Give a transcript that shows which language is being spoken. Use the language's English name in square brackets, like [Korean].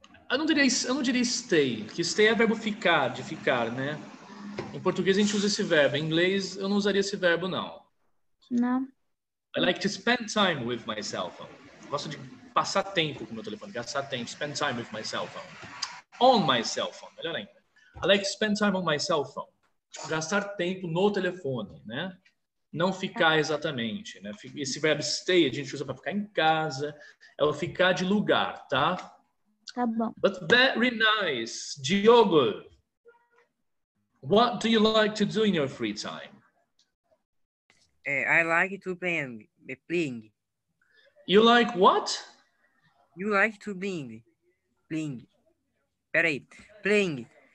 [Portuguese] Eu não diria stay, que stay é verbo ficar, de ficar, né? Em português a gente usa esse verbo, em inglês eu não usaria esse verbo, não. Não. [English] I like to spend time with my cell phone. [Portuguese] Gosto de passar tempo com meu telefone, gastar tempo, [English] spend time with my cell phone. On my cell phone, [Portuguese] melhor ainda. [English] I like to spend time on my cell phone. [Portuguese] Gastar tempo no telefone, né? Não ficar exatamente, né? Esse verbo stay a gente usa para ficar em casa, é o ficar de lugar, tá? Tá bom. [English] But very nice. Diogo, what do you like to do in your free time? I like to bling. You like what? You like to bling. Bling. Peraí. Bling.